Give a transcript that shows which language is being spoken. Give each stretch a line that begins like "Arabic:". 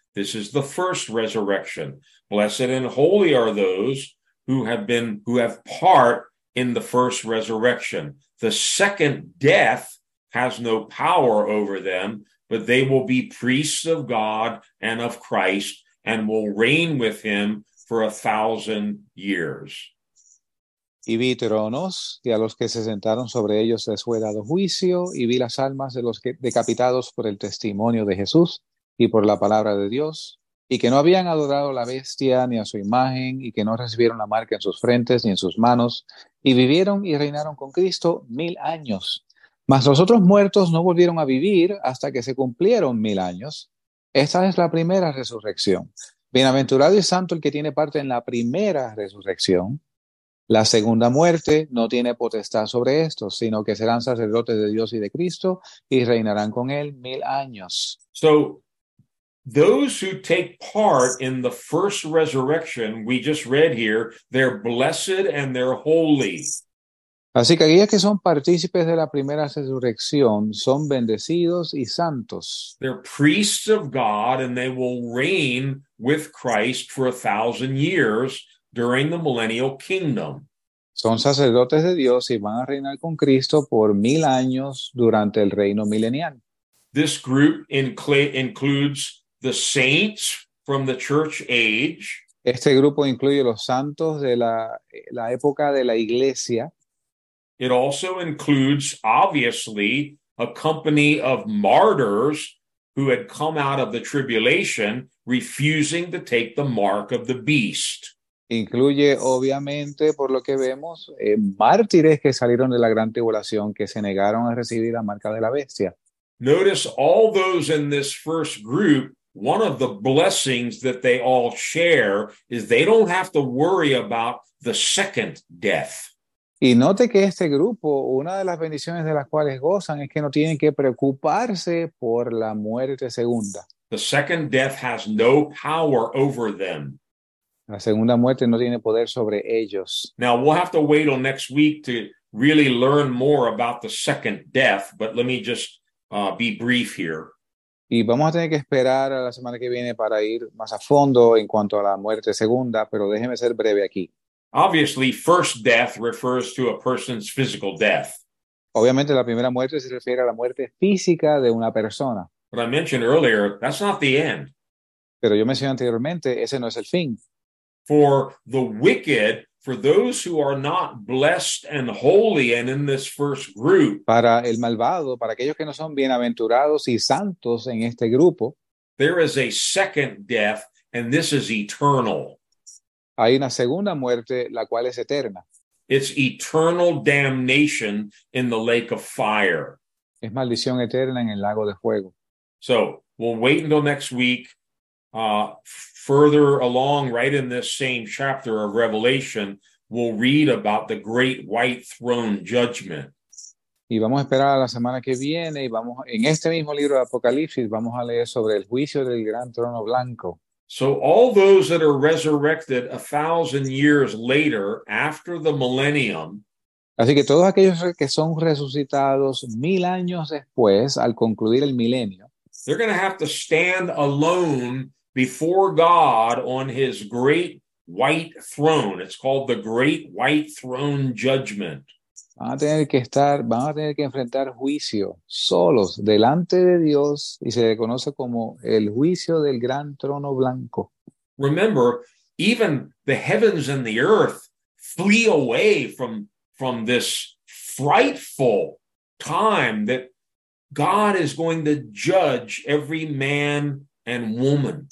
English: This is the first resurrection. Blessed and holy are those who have part in the first resurrection. The second death has no power over them, but they will be priests of God and of Christ and will reign with him for 1,000 years.
Spanish: Y vi tronos, y a los que se sentaron sobre ellos les fue dado juicio, y vi las almas de los que decapitados por el testimonio de Jesús y por la palabra de Dios, y que no habían adorado a la bestia ni a su imagen, y que no recibieron la marca en sus frentes ni en sus manos, y vivieron y reinaron con Cristo 1,000 años. Mas los otros muertos no volvieron a vivir hasta que se cumplieron 1,000 años. Esta es la primera resurrección. Bienaventurado y santo el que tiene parte en la primera resurrección. La segunda muerte no tiene potestad sobre esto, sino que serán sacerdotes de Dios y de Cristo y reinarán con él 1,000 años.
English: So, those who take part in the first resurrection we just read here, they're blessed and they're holy.
Spanish: Así que aquellos que son partícipes de la primera resurrección son bendecidos y santos.
English: They're priests of God and they will reign with Christ for 1,000 years. During the millennial kingdom.
Spanish: Son sacerdotes de Dios y van a reinar con Cristo por 1,000 años durante el reino milenial.
English: This group includes the saints from the church age.
Spanish: Este grupo incluye los santos de la época de la iglesia.
English: It also includes, obviously, a company of martyrs who had come out of the tribulation refusing to take the mark of the beast.
Spanish: Incluye, obviamente, por lo que vemos, mártires que salieron de la gran tribulación, que se negaron a recibir la marca de la bestia.
English: Notice all those in this first group, one of the blessings that they all share is they don't have to worry about the second death.
Spanish: Y note que este grupo, una de las bendiciones de las cuales gozan es que no tienen que preocuparse por la muerte segunda.
English: The second death has no power over them.
Spanish: La segunda muerte no tiene poder sobre ellos.
English: Now, we'll have to wait till next week to really learn more about the second death, but let me just be brief here.
Spanish: Y vamos a tener que esperar a la semana que viene para ir más a fondo en cuanto a la muerte segunda, pero déjeme ser breve aquí.
English: Obviously, first death refers to a person's physical death.
Spanish: Obviamente, la primera muerte se refiere a la muerte física de una persona.
English: But I mentioned earlier, that's not the end.
Spanish: Pero yo mencioné anteriormente, ese no es el fin.
English: For the wicked, for those who are not blessed and holy and in this first group.
Spanish: Para el malvado, para aquellos que no son bienaventurados y santos en este grupo.
English: There is a second death and this is eternal.
Spanish: Hay una segunda muerte, la cual es eterna.
English: It's eternal damnation in the lake of fire.
Spanish: Es maldición eterna en el lago de fuego.
English: So, we'll wait until next week. Further along, right in this same chapter of Revelation, we'll read about the great white throne judgment.
Spanish: Y vamos a esperar a la semana que viene y vamos en este mismo libro de Apocalipsis vamos a leer sobre el juicio del gran trono blanco.
English: So all those that are resurrected 1,000 years later after the millennium,
Spanish: Así que todos aquellos que son resucitados 1,000 años después, al concluir el milenio,
English: they're going to have to stand alone before God on his great white throne. It's called the great white throne judgment.
Spanish: Van a tener que enfrentar juicio solos delante de Dios y se le conoce como el juicio del gran trono blanco.
English: Remember, even the heavens and the earth flee away from this frightful time that God is going to judge every man and woman.